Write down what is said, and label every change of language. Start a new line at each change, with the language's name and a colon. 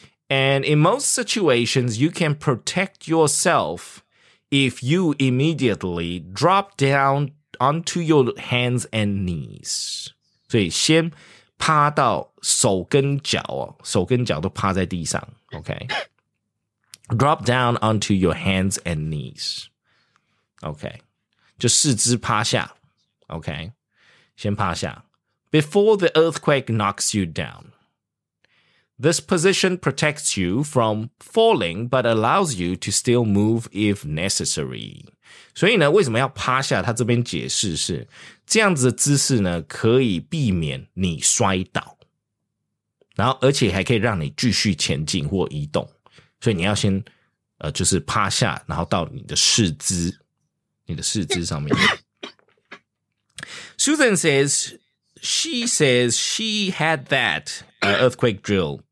English: And in most situations, you can protect yourselfIf you immediately drop down onto your hands and knees.
Chinese: 所以先趴到手跟脚都趴在地上 OK.
English: Drop down onto your hands and knees. OK.
Chinese: 就四肢趴下 OK. 先趴下
English: Before the earthquake knocks you down. This position protects you from falling, but allows you to still move if necessary.
Chinese: 所以呢，为什么要趴下？他这边解释是，这样子的姿势呢，可以避免你摔倒，然后而且还可以让你继续前进或移动。所以你要先，就是趴下，然后到你的四肢上面。
English: Susan says, she says she had that earthquake drill.